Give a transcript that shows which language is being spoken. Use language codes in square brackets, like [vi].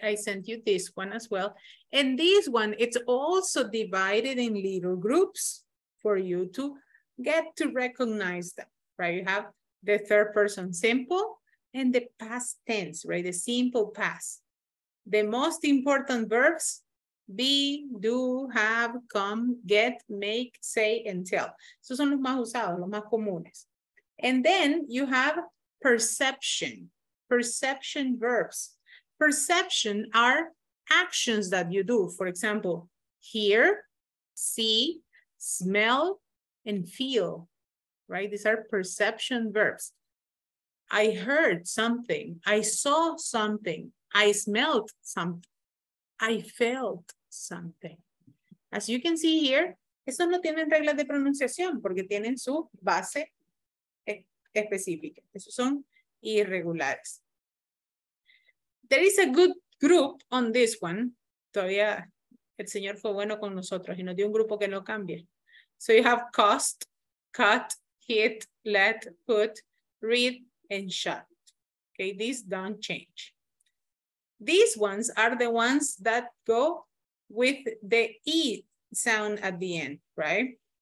[en] I sent you this one as well. And this one, it's also divided in little groups for you to get to recognize them, right? You have the third person simple and the past tense, right? The simple past. The most important verbs, be, do, have, come, get, make, say, and tell. [es] Esos son los más usados, los más comunes. [en] And then you have perception. Perception verbs. Perception are actions that you do. For example, hear, see, smell, and feel, right? These are perception verbs. I heard something. I saw something. I smelled something. I felt something. As you can see here, [es] estos no tienen reglas de pronunciación porque tienen su base específica. Esos son irregulares. [en] There is a good group on this one. [es] Todavía el señor fue bueno con nosotros y nos dio un grupo que no cambie. [en] So you have cost, cut, hit, let, put, read, and shut. Okay, these don't change. These ones are the ones that go with the E sound at the end, right?